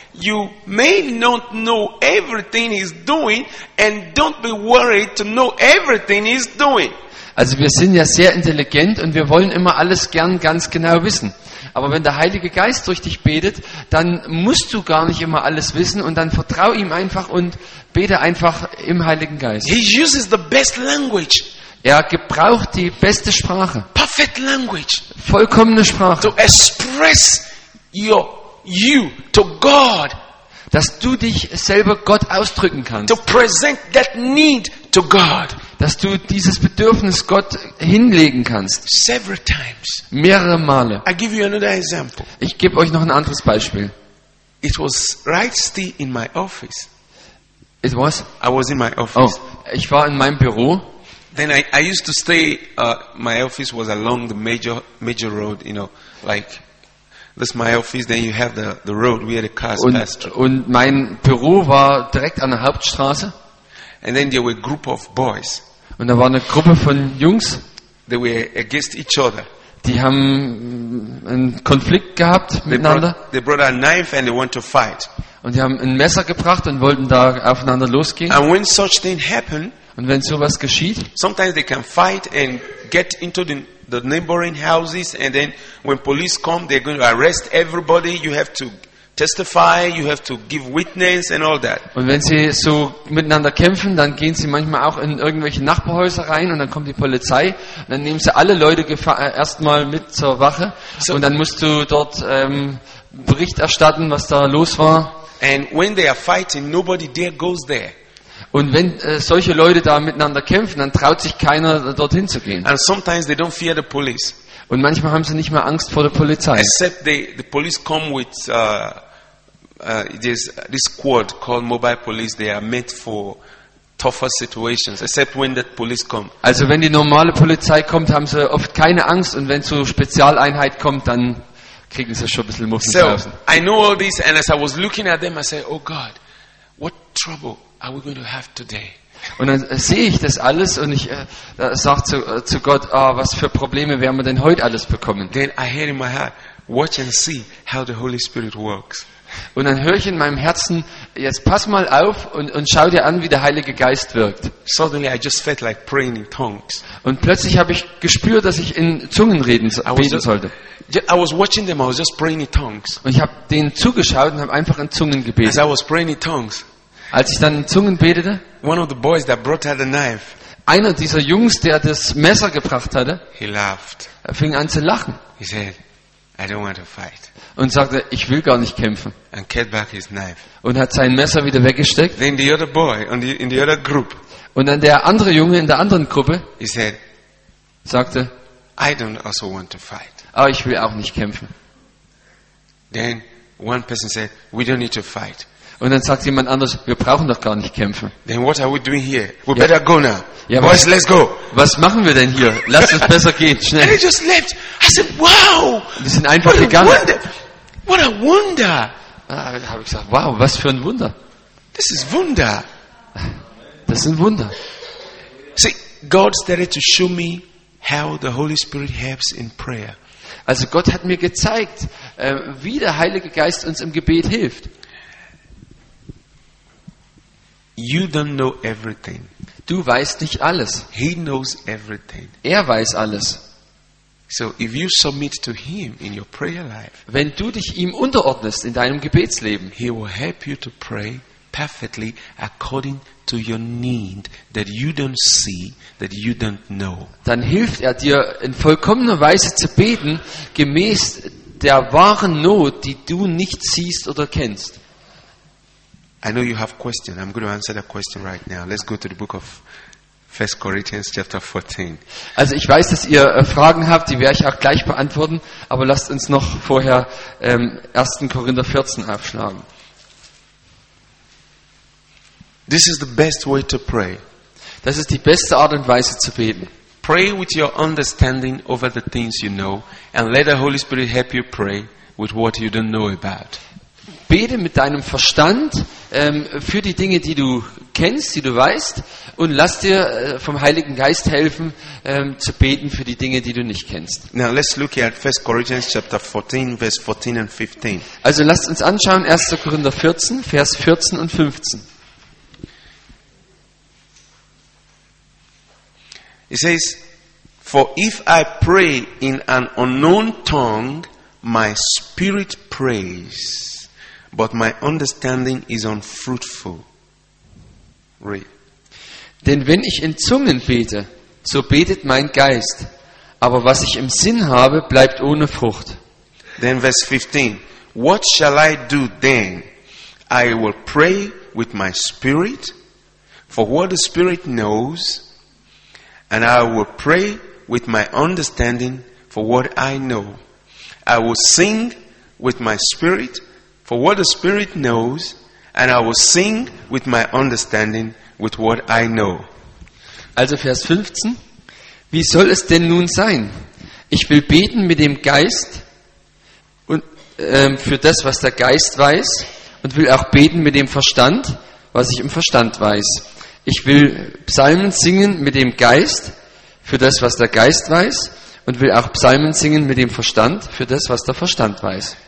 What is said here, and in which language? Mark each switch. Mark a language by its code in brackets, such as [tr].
[en] You may not know everything he's doing and don't be worried to know everything he's doing. [de] Also wir sind ja sehr intelligent und wir wollen immer alles gern ganz genau wissen. Aber wenn der Heilige Geist durch dich betet, dann musst du gar nicht immer alles wissen und dann vertrau ihm einfach und bete einfach im Heiligen Geist. [en] He uses the best language. [de] Er gebraucht die beste Sprache. [en] Perfect language. [de] Vollkommene Sprache. [en] To express you to God. [de] Dass du dich selber Gott ausdrücken kannst. [en] To present that need to God. [de] Dass du dieses Bedürfnis Gott hinlegen kannst. [en] Several times. [de] Mehrere Male. [en] I give you another example. [de] Ich gebe euch noch ein anderes Beispiel. [en] It was right still in my office. It was? I was in my office. [de] Oh, ich war in meinem Büro. [en] Then I used to stay. My office was along the major road. You know, like. This is my office, then you have the road where the cars pass through. [de] Und mein Büro war direkt an der Hauptstraße. [en] And then there were a group of boys. [de] Und da war eine Gruppe von Jungs. [en] They were against each other. [de] Die haben einen Konflikt gehabt miteinander. [en] They brought a knife and they want to fight. [de] Und die haben ein Messer gebracht und wollten da aufeinander losgehen. [en] And when such thing happen, [de] und wenn sowas geschieht, [en] sometimes they can fight and get into the neighboring houses, and then when police come, they're going to arrest everybody. You have to testify, you have to give witness and all that. [de] Und wenn sie so miteinander kämpfen, dann gehen sie manchmal auch in irgendwelche Nachbarhäuser rein und dann kommt die Polizei und dann nehmen sie alle Leute erstmal mit zur Wache und dann musst du dort Bericht erstatten, was da los war. [en] And when they are fighting, nobody there goes there. [de] Und wenn solche Leute da miteinander kämpfen, dann traut sich keiner dorthin zu gehen. [en] And sometimes they don't fear the police. [de] Und manchmal haben sie nicht mehr Angst vor der Polizei. [en] Except the police come with this squad called mobile police. They are meant for tougher situations. Except when that police come. [de] Also wenn die normale Polizei kommt, haben sie oft keine Angst. Und wenn so Spezialeinheit kommt, dann kriegen sie schon ein bisschen Muffen draußen. [en] So I know all this, and as I was looking at them, I said, "Oh God, what trouble are we going to have today?" [de] Und dann sehe ich das alles und ich sage zu Gott, oh, was für Probleme werden wir denn heute alles bekommen? [en] Then I hear in my heart, watch and see how the Holy Spirit works. [de] Und dann höre ich in meinem Herzen, jetzt pass mal auf und schau dir an, wie der Heilige Geist wirkt. [en] Suddenly I just felt like praying in tongues. [de] Und plötzlich habe ich gespürt, dass ich in Zungen beten sollte. [en] I was watching them, I was just praying in tongues. [de] Und ich habe denen zugeschaut und habe einfach in Zungen gebetet. [en] As I was praying in tongues. [de] Als ich dann in Zungen betete, [en] one of the boys that brought out the knife, [de] einer dieser Jungs, der das Messer gebracht hatte, [en] he laughed. [de] Er fing an zu lachen. [en] He said, I don't want to fight. [de] Und sagte, ich will gar nicht kämpfen. [en] And kept back his knife. [de] Und hat sein Messer wieder weggesteckt. [en] Then the other boy in the other group, [de] und dann der andere Junge in der anderen Gruppe, [en] he said, [de] sagte, [en] I don't also want to fight. [de] Aber ich will auch nicht kämpfen. [en] Then one person said, we don't need to fight. [de] Und dann sagt jemand anders, wir brauchen doch gar nicht kämpfen. [en] Then what are we doing here? We better go now. Ja, boys, let's go. [de] Was machen wir denn hier? Lass uns besser gehen, schnell. [en] And they just left. I said, wow. [de] Wir sind einfach gegangen. [en] What a wonder. [de] Da habe ich gesagt, wow, was für ein Wunder. [en] This is Wunder. [de] Das ist ein Wunder. [en] See, God started to show me how the Holy Spirit helps in prayer. [de] Also Gott hat mir gezeigt, wie der Heilige Geist uns im Gebet hilft. [en] You don't know everything. [de] Du weißt nicht alles. [en] He knows everything. [de] Er weiß alles. [en] So if you submit to him in your prayer life, [de] wenn du dich ihm unterordnest in deinem Gebetsleben, [en] he will help you to pray perfectly according to your need that you don't see, that you don't know. [de] Dann hilft er dir in vollkommener Weise zu beten gemäß der wahren Not, die du nicht siehst oder kennst. [en] I know you have question. I'm going to answer that question right now. Let's go to the book of 1 Corinthians chapter 14. [de] Also ich weiß, dass ihr Fragen habt, die werde ich auch gleich beantworten, aber lasst uns noch vorher 1. Korinther 14 aufschlagen. [en] This is the best way to pray. [de] Das ist die beste Art und Weise zu beten. [en] Pray with your understanding over the things you know and let the Holy Spirit help you pray with what you don't know about. [de] Bete mit deinem Verstand für die Dinge, die du kennst, die du weißt, und lass dir vom Heiligen Geist helfen, zu beten für die Dinge, die du nicht kennst. [en] Now let's look at 1 Corinthians chapter 14, verse 14 and 15. [de] Also lasst uns anschauen, 1. Korinther 14, Vers 14 und 15. [en] It says, for if I pray in an unknown tongue, my spirit prays, but my understanding is unfruitful. Read. [de] Denn wenn ich in Zungen bete, so betet mein Geist, aber was ich im Sinn habe, bleibt ohne Frucht. [en] Then verse 15. What shall I do then? I will pray with my spirit, for what the spirit knows, and I will pray with my understanding for what I know. I will sing with my spirit for what the spirit knows, and I will sing with my understanding with what I know. [de] Also Vers 15. Wie soll es denn nun sein? Ich will beten mit dem Geist und für das, was der Geist weiß, und will auch beten mit dem Verstand, was ich im Verstand weiß. Ich will Psalmen singen mit dem Geist für das, was der Geist weiß, und will auch Psalmen singen mit dem Verstand für das, was der Verstand weiß.